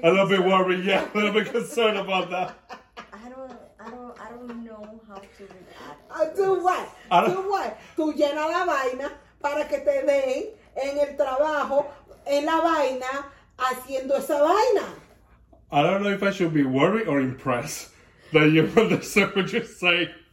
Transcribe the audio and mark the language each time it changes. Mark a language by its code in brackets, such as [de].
[en] concerned. A little bit worried, yeah, a little bit concerned about that. I don't know how to do what? [es] Tú llenas la vaina para que te den en el trabajo, en la vaina, haciendo esa vaina. [en] I don't know if I should be worried or impressed that you understand what you're saying.